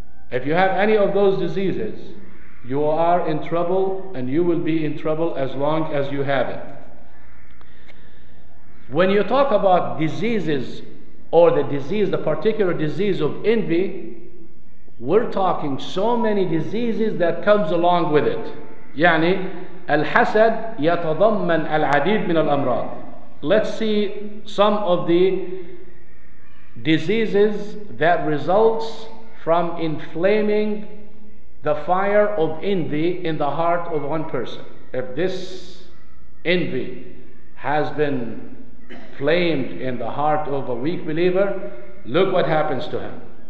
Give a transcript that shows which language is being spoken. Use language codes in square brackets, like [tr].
[en] If you have any of those diseases, you are in trouble, and you will be in trouble as long as you have it. When you talk about diseases, or the particular disease of envy, we're talking so many diseases that comes along with it. [ar] يعني الحسد يتضمن العديد من الأمراض. [en] Let's see some of the diseases that results from inflaming the fire of envy in the heart of one person. If this envy has been flamed in the heart of a weak believer, look what happens to him.